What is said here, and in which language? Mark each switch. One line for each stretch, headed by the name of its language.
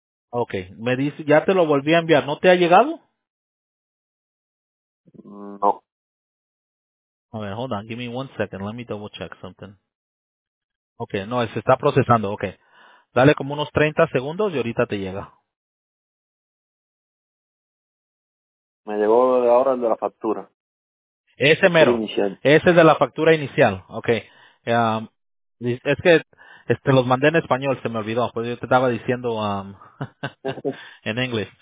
Spanish: Okay, me dice, ya te lo volví a enviar, ¿no te ha llegado? No. A ver,
English: hold on, give me one second, let me double check something.
Spanish: Okay, no, se está procesando, okay. Dale como unos 30 segundos y ahorita te llega. Me llegó ahora el de la factura. Ese mero. Ese es de la factura inicial, okay. Es que este los mandé en español, se me olvidó, pues yo te estaba diciendo en inglés.